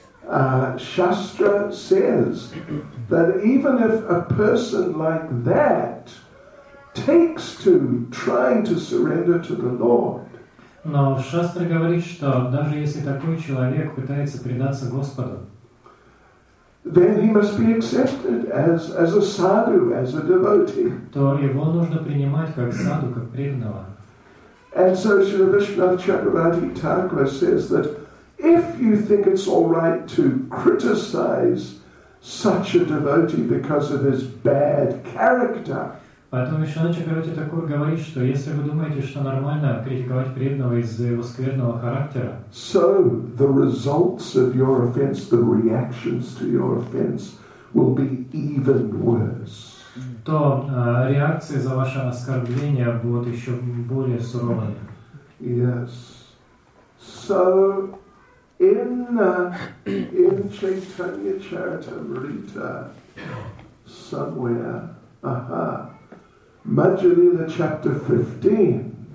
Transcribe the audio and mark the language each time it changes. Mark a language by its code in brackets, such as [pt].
[en] Shastra says that even if a person like that takes to trying to surrender to the Lord, [ru] но Шастра говорит, что даже если такой человек пытается предаться Господу, [en] then he must be accepted as a sadhu, as a devotee. [ru] То его нужно принимать как саду, как преданного. [en] And so Śrīla Viṣṇava Chakravarti Thakura says that if you think it's all right to criticize such a devotee because of his bad character, [ru] поэтому Śrīla Chakravarti Thakura говорит, что если вы думаете, что нормально критиковать преданного из-за его скверного характера, [en] so the results of your offense, the reactions to your offense, will be even worse. [ru] То реакции за ваше оскорбление будут еще более суровыми. [en] Yes. So in Chaitanya Charitamrita somewhere, Madhyalila chapter 15.